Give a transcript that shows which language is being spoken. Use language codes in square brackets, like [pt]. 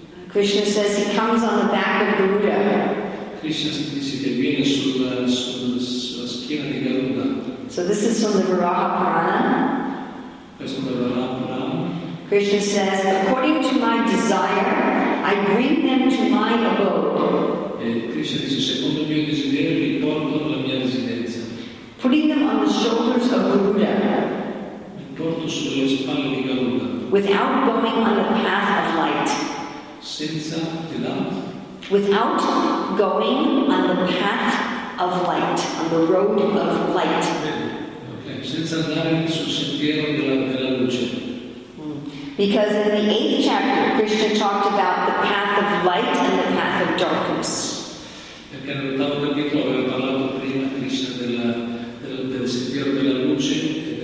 [en] Krishna says he comes on the back of Garuda. [it] Krishna dice che viene sulla schiena di Garuda. [en] So this is from the Varaha Purana. [it] Questo è dal Varaha Purana. [en] Krishna says, according to my desire, I bring them to my abode. [it] E Krishna dice, secondo mio desiderio, li porto alla mia residenza. [en] Putting them on the shoulders of Garuda. Without going on the path of light. [it] Senza di là. [en] Without going on the path of light, on the road of light. Okay. [it] Senza andare sul sentiero della luce. [en] Because in the 8th chapter, Krishna talked about the path of light and the path of darkness. [it] Perché nell'ottavo capitolo aveva parlato prima Krishna del sentiero della luce.